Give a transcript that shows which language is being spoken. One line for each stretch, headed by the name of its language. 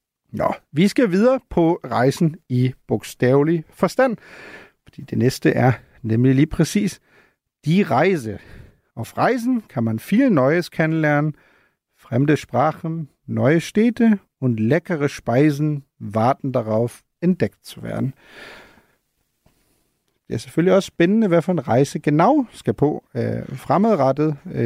Danish: Nå, vi skal videre på rejsen i bogstavelig forstand, fordi det næste er nemlig lige præcis die Reise.
German: Auf Reisen kann man viel Neues kennenlernen. Fremde Sprachen, neue Städte und leckere Speisen warten darauf, entdeckt zu werden.
Danish: Det er selvfølgelig også spændende, hvad for en rejse genau skal på fremadrettet.